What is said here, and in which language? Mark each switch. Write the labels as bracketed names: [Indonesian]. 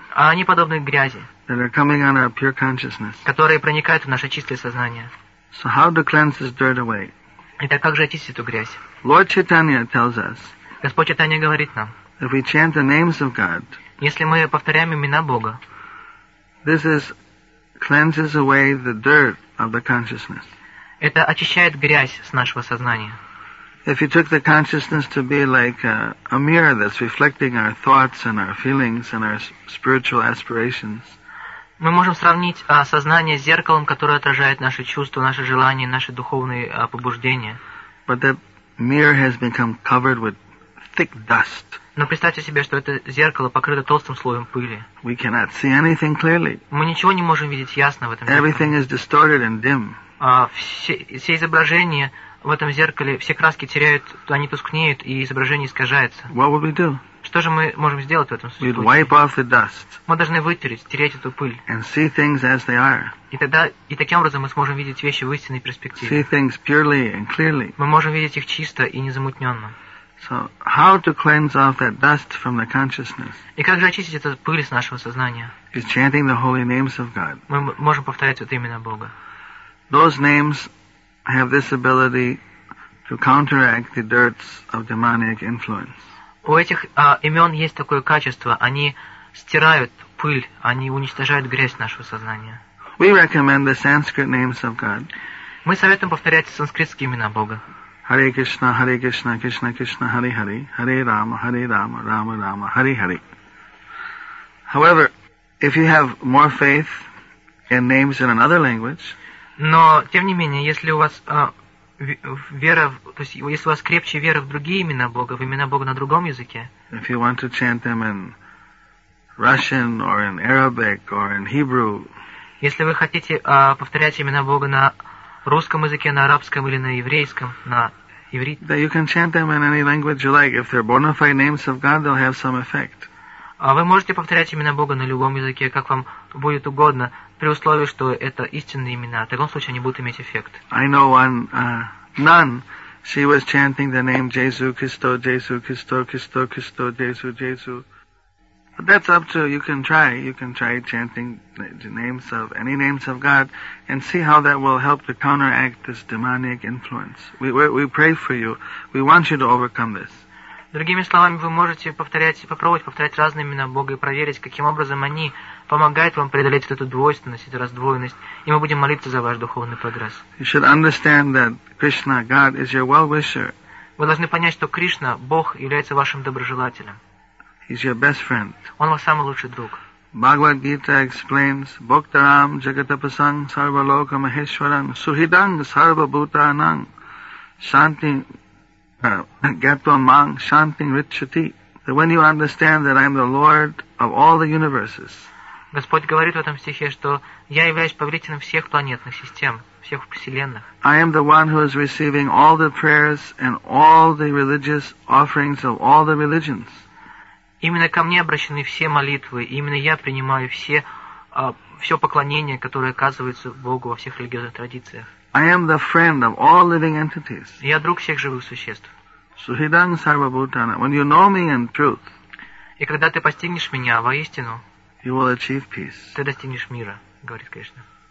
[Russian] А они подобны грязи, [English] that are coming on our pure consciousness. [Russian] Которые проникают в наше чистое сознание. [English] So how to cleanse this dirt away? [Russian] Итак, как же очистить эту грязь? [English] Lord Chaitanya tells us, [Russian] Господь Чайтанья говорит нам, [English] if we chant the names of God, [Russian] если мы повторяем имена Бога, [English] this is cleanses away the dirt of the consciousness. [Russian] Это очищает грязь с нашего сознания. [English] If you took the consciousness to be like a mirror that's reflecting our thoughts and our feelings and our spiritual aspirations. [Russian] Мы можем сравнить сознание с зеркалом, которое отражает наши чувства, наши желания, наши духовные побуждения. [English] But that mirror has become covered with thick dust. [Russian] Но представьте себе, что это зеркало покрыто толстым слоем пыли. [English] We cannot see anything clearly. [Russian] Мы ничего не можем видеть ясно в этом зеркале. [English] Everything is distorted and dim. [Russian] Все изображения в этом зеркале, все краски теряют, они тускнеют, и изображение искажается. [English] What would we do? [Russian] Что же мы можем сделать в этом случае? [English] We'd wipe off the dust. [Russian] Мы должны вытереть, стереть эту пыль. [English] And see things as they are. [Russian] И таким образом мы сможем видеть вещи в истинной перспективе. [English] See things purely and clearly. [Russian] Мы можем видеть их чисто и незамутненно. [English] So how to cleanse off that dust from the consciousness? [Russian] И как же очистить эту пыль с нашего сознания? [English] Is chanting the holy names of God. [Russian] Мы можем повторять вот имена Бога. [English] Those names have this ability to counteract the dirts of demonic influence. [Russian] У этих имен есть такое качество. Они стирают пыль, они уничтожают грязь нашего сознания. [English] We recommend the Sanskrit names of God. [Russian] Мы советуем повторять санскритские имена Бога. [Sanskrit] Hare Krishna, Hare Krishna, Krishna Krishna, Hare Hare, Hare Rama, Hare Rama, Rama Rama, Hare Hare. [English] However, if you have more faith in names in another language, [Russian] но тем не менее, если у вас вера, то есть если у вас крепче вера в другие имена Бога, в имена Бога на другом языке, [English] if you want to chant them in Russian or in Arabic or in Hebrew, [Russian] если вы хотите повторять имена Бога на русском языке, на арабском или на еврейском, на иврите, [English] then you can chant them in any language you like. If they're bona fide names of God, they'll have some effect. [Russian] Вы можете повторять имена Бога на любом языке, как вам будет угодно, при условии, что это истинные имена. В таком случае они будут иметь эффект. [English] I know one nun. She was chanting the name Jesu Christo, Jesu Christo, Christo Christo, Jesu Jesu. But that's up to you. Can try. You can try chanting the names of any names of God and see how that will help to counteract this demonic influence. We pray for you. We want you to overcome this. [Russian] Другими словами, вы можете попробовать повторять разные имена Бога и проверить, каким образом они помогают вам преодолеть эту двойственность, эту раздвоенность, и мы будем молиться за ваш духовный прогресс. [English] You should understand that Krishna, God, is your well-wisher. [Russian] Вы должны понять, что Кришна, Бог, является вашим доброжелателем. [English] He's your best friend. [Russian] Он ваш самый лучший друг. [English] Bhagavad Gita explains, [Sanskrit] Bhaktaram Jagatapasang Sarvaloka Maheshwaran Suhidang Sarvabhutanang Shanti Gatvamang Shanti Ritchati. [English] That when you understand that I am the Lord of all the universes, [Russian] Господь говорит в этом стихе, что я являюсь повелителем всех планетных систем, всех вселенных. [English] I am the one who is receiving all the prayers and all the religious offerings of all the religions. [Russian] Именно ко мне обращены все молитвы, и именно я принимаю все поклонение, которое оказывается Богу во всех религиозных традициях. [English] I am the friend of all living entities. [Russian] Я друг всех живых существ. [Sanskrit] Suhidang Sarvabhutana. [English] When you know me in truth, [Russian] и когда ты постигнешь меня воистину, [English] you will achieve peace. [Russian] Ты достигнешь мира, говорит Кришна.